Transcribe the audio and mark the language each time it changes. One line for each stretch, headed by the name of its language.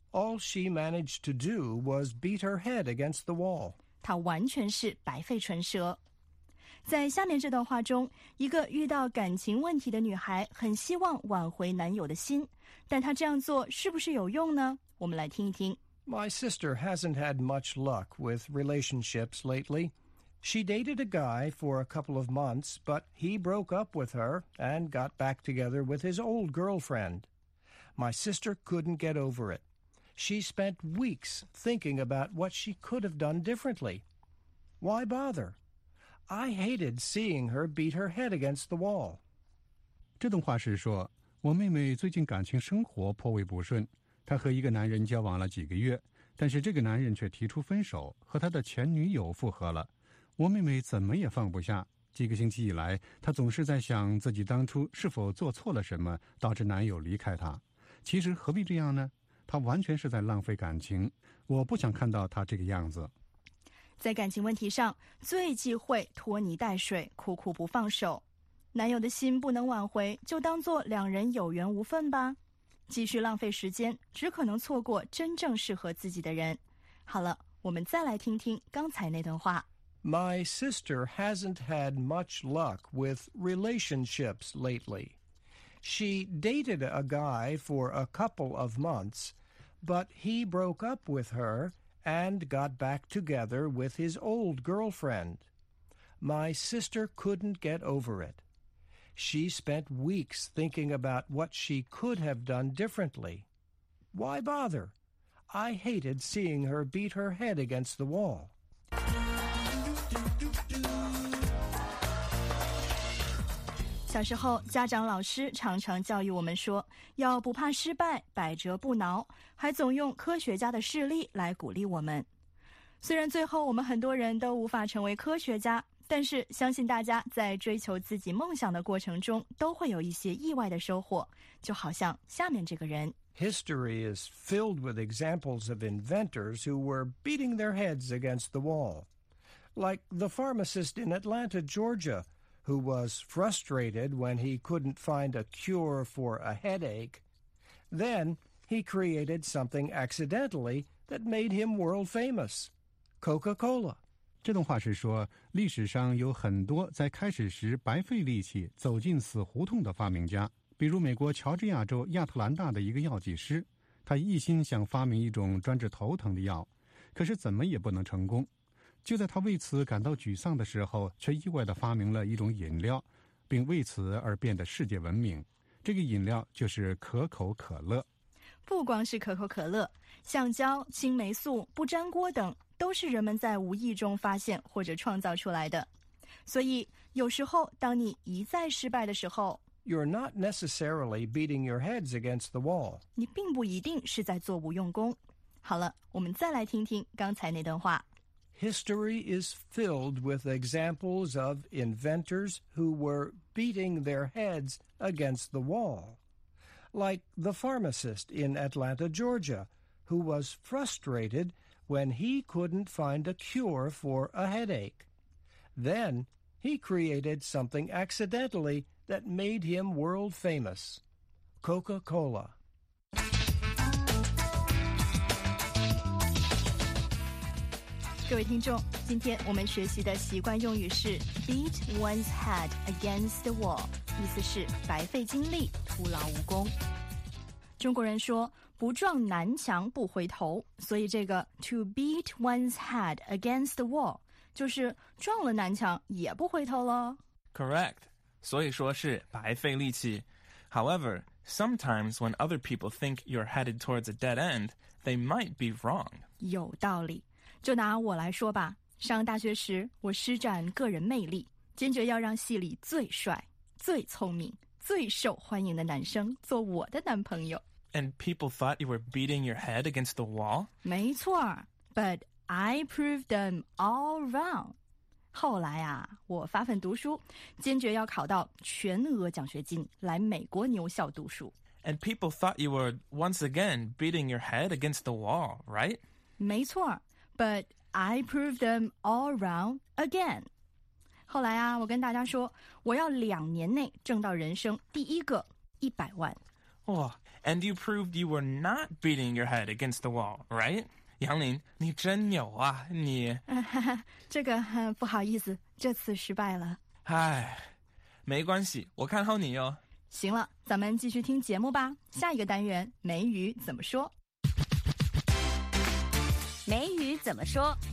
English: All she managed to do was beat her head against the wall
Chinese: 她完全是白费唇舌在下面这段话中一个遇到感情问题的女孩很希望挽回男友的心但她这样做是不是有用呢我们来听一听
English: My sister hasn't had much luck with relationships latelyShe dated a guy for a couple of months, but he broke up with her and got back together with his old girlfriend. My sister couldn't get over it. She spent weeks thinking about what she could have done differently. Why bother? I hated seeing her beat her head against the wall.
Chinese: 这段话是说，我妹妹最近感情生活颇为不顺，她和一个男人交往了几个月，但是这个男人却提出分手，和她的前女友复合了。我妹妹怎么也放不下，几个星期以来，她总是在想自己当初是否做错了什么，导致男友离开她。其实何必这样呢？她完全是在浪费感情，我不想看到她这个样子。在感情问题上，最忌讳拖泥带水，苦苦不放手。男友的心不能挽回，就当作两人有缘无分吧。继续浪费时间，只可能错过真正适合自己的人。好了，我们再来听听刚才那段话。
English: My sister hasn't had much luck with relationships lately. She dated a guy for a couple of months, but he broke up with her and got back together with his old girlfriend. My sister couldn't get over it. She spent weeks thinking about what she could have done differently. Why bother? I hated seeing her beat her head against the wall.
Chinese: 小时候，家长老师常常教育我们说，要不怕失败，百折不挠，还总用科学家的事例来鼓励我们。虽然最后我们很多人都无法成为科学家，但是相信大家在追求自己梦想的过程中都会有一些意外的收获，就好像下面这个人。
English: History is filled with examples of inventors who were beating their heads against the wall. Like the pharmacist in Atlanta, Georgia, who was frustrated when he couldn't find a cure for a headache. Then he created something accidentally that made him world famous. Coca-Cola.
Chinese: 这段话是说，历史上有很多在开始时白费力气走进死胡同的发明家，比如美国乔治亚州亚特兰大的一个药剂师，他一心想发明一种专治头疼的药，可是怎么也不能成功。就在他为此感到沮丧的时候，却意外地发明了一种饮料，并为此而变得世界闻名。这个饮料就是可口可乐。不光是可口可乐，橡胶、青霉素、不粘锅等都是人们在无意中发现或者创造出来的。所以，有时候当你一再失败的时候
English: You're not necessarily beating your heads against the wall.
Chinese: 你并不一定是在做无用功。好了，我们再来听听刚才那段话。
English: History is filled with examples of inventors who were beating their heads against the wall. Like the pharmacist in Atlanta, Georgia, who was frustrated when he couldn't find a cure for a headache. Then, he created something accidentally that made him world famous. Coca-Cola.
Chinese: 各位听众，今天我们学习的习惯用语是
English: beat one's head against the wall,
Chinese: 意思是白费精力，徒劳无功。中国人说不撞南墙不回头，所以这个
English: to beat one's head against the wall
Chinese: 就是撞了南墙也不回头了。
English: Correct.
Chinese: 所以说是白费力气。
English: However, sometimes when other people think you're headed towards a dead end, they might be wrong.
Chinese: 有道理。就拿我来说吧，上大学时我施展个人魅力，坚决要让系里最帅、最聪明、最受欢迎的男生做我的男朋友。
English: And people thought you were beating your head against the wall?
Chinese: 没错
English: ,but I proved them all wrong.
Chinese: 后来啊，我发奋读书，坚决要考到全额奖学金，来美国牛校读书。
English: And people thought you were once again beating your head against the wall, right?
Chinese: 没错
English: ,but I proved them all wrong again.
Chinese: 后来啊，我跟大家说，我要两年内挣到人生第一个100万。
English: 哦、and you proved you were not beating your head against the wall, right?
Chinese: 杨林，你真牛啊，你。这个、不好意思，这次失败了。唉，没关系，我看好你哟。行了，咱们继续听节目吧。下一个单元，美语怎么说？美语怎么说